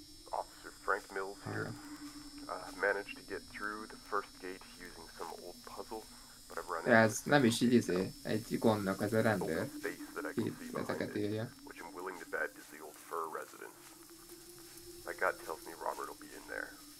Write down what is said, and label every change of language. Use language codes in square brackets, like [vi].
[en] Officer Frank Mills here. Managed to get through the first gate using some old puzzle, but I've run into [hu] ez nem is így izé, egy gondnak ez a rendőr. Itt ezeket írja. [en] Which I'm willing to bet is the old fur residence. My gut tells me Robert will be in there.